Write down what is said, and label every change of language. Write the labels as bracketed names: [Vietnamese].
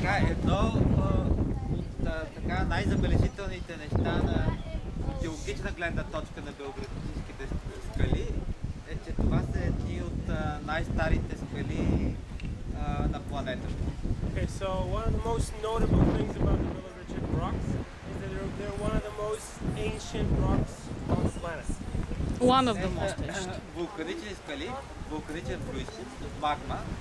[Bulgarian] Едно от така най-забележителните неща на геологична гледна точка на белградските скали е, че това са едни от най-старите скали на планетата. [English] Okay, so one of the most notable things about the Belovežan rocks is that they're one of the most ancient rocks on the planet. One of the most ancient. [Bulgarian] Вулканичен скали, вулканичен произход, магма.